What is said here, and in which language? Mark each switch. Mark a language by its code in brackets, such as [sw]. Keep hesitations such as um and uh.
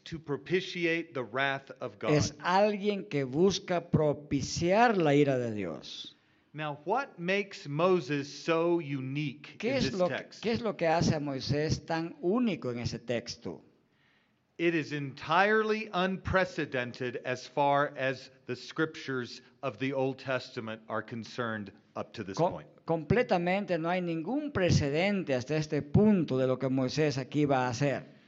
[en] to propitiate the wrath of God. [es] Es alguien que busca propiciar la ira de Dios. [en] Now, what makes Moses so unique in this lo, text? [es] ¿Qué es lo que hace Moisés tan único en ese texto? [en] It is entirely unprecedented as far as the scriptures of the Old Testament are concerned Co [es] completamente no hay ningún precedente hasta este punto de lo que Moisés aquí va a hacer.